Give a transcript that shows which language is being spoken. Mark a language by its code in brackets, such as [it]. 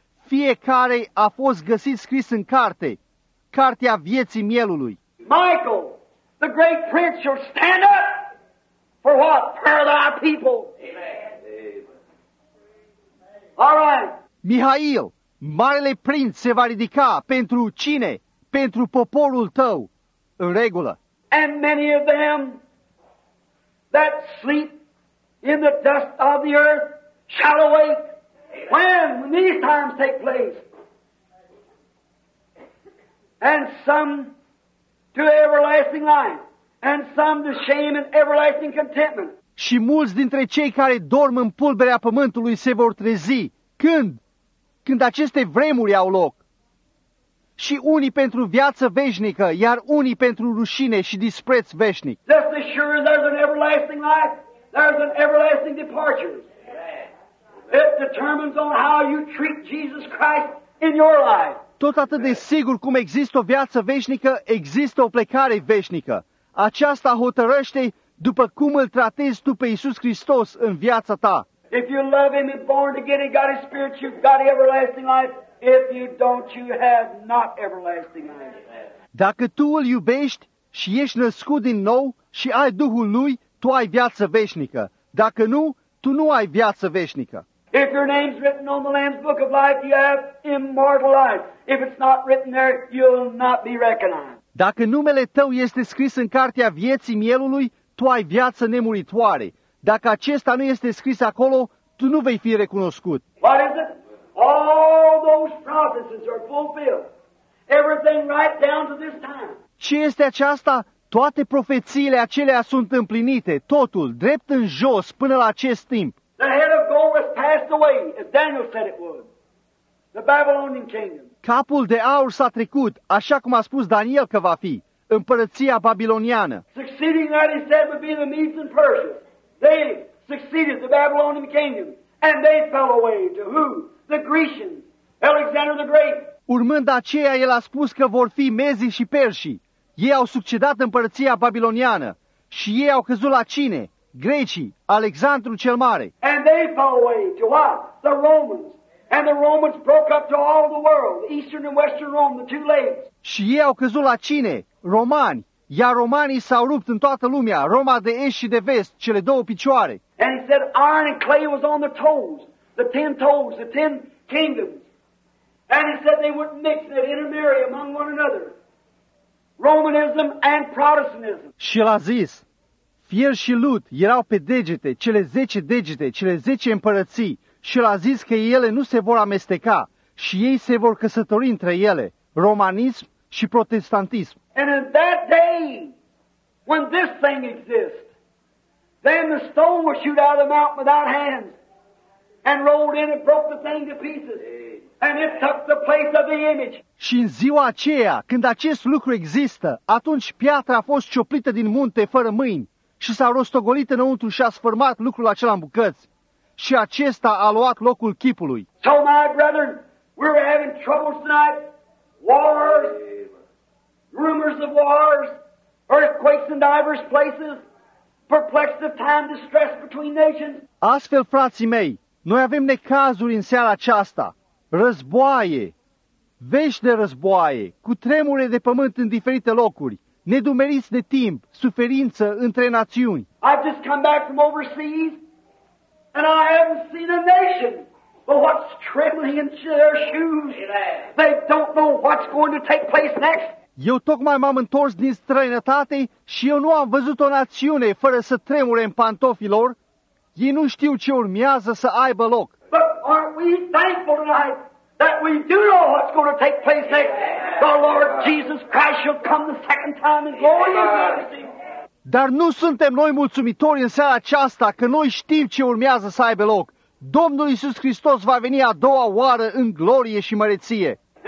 [ro] Fiecare a fost găsit scris în carte, cartea vieții mielului. [en] Michael, the great prince, shall stand up for what? For thy people. Amen. All right. [ro] Mihail, marele prinț se va ridica pentru cine? Pentru poporul tău. În regulă. [en] And many of them that sleep in the dust of the earth shall awake. When these times take place. And some to everlasting life. And some to shame and everlasting contentment. [ro] Și mulți dintre cei care dorm în pulberea pământului se vor trezi. Când? Când aceste vremuri au loc. Și unii pentru viață veșnică, iar unii pentru rușine și dispreț veșnic. [en] Just as sure as there's an everlasting life, there's an everlasting departure. It determines on how you treat Jesus Christ in your life. [ro] Tot atât de sigur cum există o viață veșnică, există o plecare veșnică. Aceasta hotărăște după cum îl tratezi tu pe Iisus Hristos în viața ta. [en] If you love Him, you're born again, you've got His Spirit, you've got everlasting life. If you don't, you have not everlasting life. [ro] Dacă tu îl iubești și ești născut din nou și ai Duhul lui, tu ai viață veșnică. Dacă nu, tu nu ai viață veșnică. [en] If your name's written on the Lamb's book of life, you have immortal life. If it's not written there, you'll not be recognized. [ro] Dacă numele tău este scris în cartea vieții mielului, tu ai viață nemuritoare. Dacă acesta nu este scris acolo, tu nu vei fi recunoscut. [en] What is it? Oh, prophecies are fulfilled. Everything right down to this time. [ro] Ce este aceasta? Toate profețiile acelea sunt împlinite, totul, drept în jos, până la acest timp. [en] The head of gold was passed away, as Daniel said it would. The Babylonian kingdom. [ro] Capul de aur s-a trecut, așa cum a spus Daniel că va fi, împărăția babiloniană. [en] Succeeding that he said would be the Medes and Persians. They succeeded the Babylonian kingdom, and they fell away to who? The Grecians, Alexander the Great. [ro] Urmând aceea, el a spus că vor fi mezii și perșii. Ei au succedat împărăția babiloniană și ei au căzut la cine? Grecii, Alexandru cel Mare. [en] And they fell away to what? The Romans. And the Romans broke up to all the world, Eastern and Western Rome, the two legs. [ro] Și ei au căzut la cine? Romani. Iar romanii s-au rupt în toată lumea, Roma de est și de vest, cele două picioare. [en] And he said iron and clay was on the toes, the ten toes, the ten kingdoms. And he said they wouldn't mix, they'd intermarry among one another. Romanism and Protestantism. [ro] Și el a zis, fier și lut erau pe degete, cele zece degete, cele zece împărății. Și el a zis că ele nu se vor amesteca și ei se vor căsători între ele, romanism și protestantism. [en] And in that day, when this thing exists, then the stone was shoot out of the mountain without hands and rolled in and broke the thing to pieces. And it took the place of the image. [ro] Și în ziua aceea, când acest lucru există, atunci piatra a fost cioplită din munte fără mâini și s-a rostogolit înăuntru și a sfârmat lucrul acela în bucăți. Și acesta a luat locul chipului. [en] So, my brethren, we're having troubles tonight. Wars, rumors of wars, earthquakes in divers places, perplexed time, distress between nations. [ro] Astfel, frații mei, noi avem necazuri în seara aceasta. Războaie, vești de războaie, cu tremure de pământ în diferite locuri, nedumeriți de timp, suferință între națiuni. [en] I've just come back from overseas, and I haven't seen a nation but what's trembling in their shoes. They don't know what's going to take place next. [ro] Eu tocmai m-am întors din străinătate și eu nu am văzut o națiune fără să tremure în pantofii lor. Ei nu știu ce urmează să aibă loc. [en] But aren't we thankful tonight that we do know what's going to take place next? The Lord Jesus Christ shall come the second time in glory and mercy. [ro] Dar nu suntem noi mulțumitori în seara aceasta că noi știm ce urmează să aibă loc. Domnul Iisus Hristos va veni a doua oară în glorie și măreție.